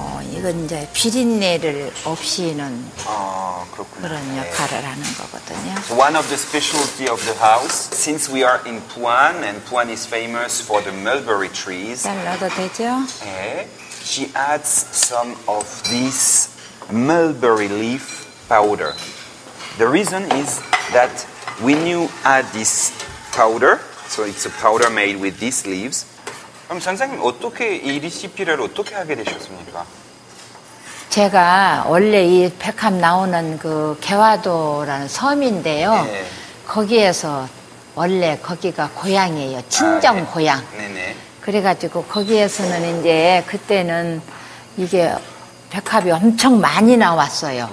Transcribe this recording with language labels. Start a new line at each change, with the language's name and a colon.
Korean: 이건 이제 비린내를 없이는 그런 역할을 하는 거거든요.
English: So one of the specialty of the house, since we are in Buan, and Buan is famous for the mulberry trees.
Korean: 잘 넣어도 되죠? 네.
English: She adds some of this mulberry leaf powder. The reason is that when you add this powder, so it's a powder made with these leaves.
Korean: 그럼 선생님, 어떻게 이 레시피를 어떻게 하게 되셨습니까? 제가 원래 이 백합 나오는 그 개화도라는 섬인데요. 네. 거기에서 원래 거기가 고향이에요. 친정 고향. 네. 네. 그래가지고 거기에서는 이제 그때는 이게 백합이 엄청 많이 나왔어요.